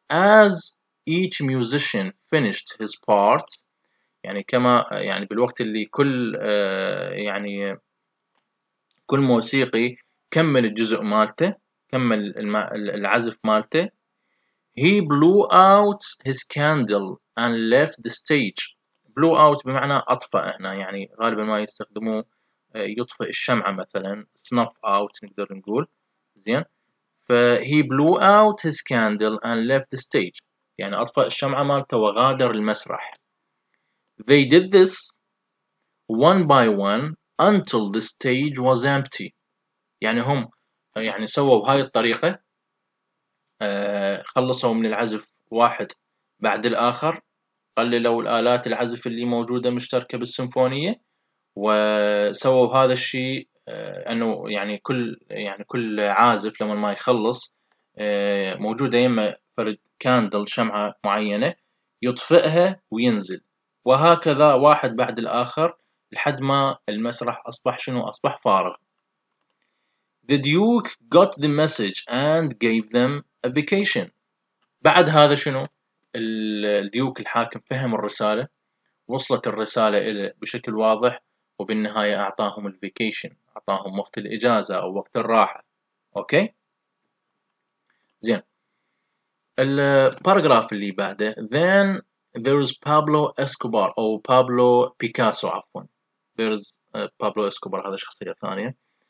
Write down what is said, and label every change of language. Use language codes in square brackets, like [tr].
[en] As each musician finished his part، [ar] يعني كما يعني بالوقت اللي كل يعني كل موسيقي كمل الجزء مالته، كمل العزف مالته، [en] he blew out his candle and left the stage. [ar] blew out بمعنى أطفأ هنا، يعني غالبا ما يستخدموه يطفئ الشمعة مثلا، [en] snuff out [ar] نقدر نقول. زين، ف [en] he blew out his candle and left the stage، [ar] يعني أطفأ الشمعة مالته وغادر المسرح. [en] They did this one by one until the stage was empty. [ar] يعني هم يعني سووا هاي الطريقة، خلصوا من العزف واحد بعد الآخر، قللوا الآلات العزف اللي موجودة مشتركة بالسيمفونية، وسووا هذا الشيء أنه يعني كل عازف لما ما يخلص موجودة يما فرد كاندل شمعة معينة يطفئها وينزل، وهكذا واحد بعد الآخر لحد ما المسرح أصبح شنو؟ أصبح فارغ. [en] The Duke got the message and gave them a vacation. [ar] بعد هذا شنو؟ الديوك الحاكم فهم الرسالة، وصلت الرسالة إليه بشكل واضح، وبالنهاية أعطاهم الفيكيشن، أعطاهم وقت الإجازة أو وقت الراحة. أوكي؟ زين، الباراجراف اللي بعده، [en] Then there is [ar] Pablo Escobar أو Pablo Picasso عفوا، [en] There is [ar] Pablo Escobar هذا شخصية ثانية.